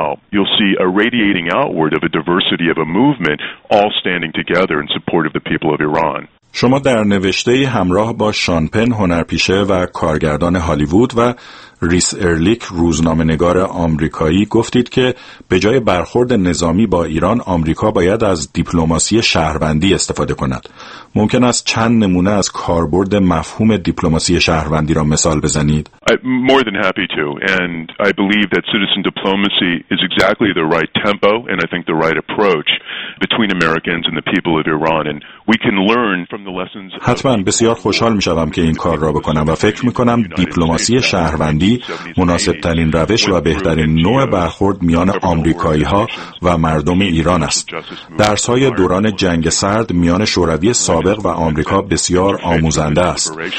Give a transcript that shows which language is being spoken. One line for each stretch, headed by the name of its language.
English: diversity of a movement all standing together in support of the people of Iran.
Persian: شما در نوشته‌ای همراه با شان پن، هنرپیشه و کارگردان هالیوود و ریس ارلیک، روزنامه‌نگار آمریکایی، گفتید که به جای برخورد نظامی با ایران، آمریکا باید از دیپلماسی شهروندی استفاده کند. ممکن است چند نمونه از کاربرد مفهوم دیپلماسی شهروندی را مثال بزنید؟
English: More than happy to, and I believe that citizen diplomacy is exactly the right tempo and I think the right approach between Americans and the people of Iran, and we can learn from the lessons.
Persian: حتما بسیار خوشحال می‌شوم که این کار را بکنم و فکر می‌کنم دیپلماسی شهروندی مناسب‌ترین روش و بهترین نوع برخورد میان آمریکایی‌ها و مردم ایران است. درس‌های دوران جنگ سرد میان شوروی سابق و آمریکا بسیار آموزنده است.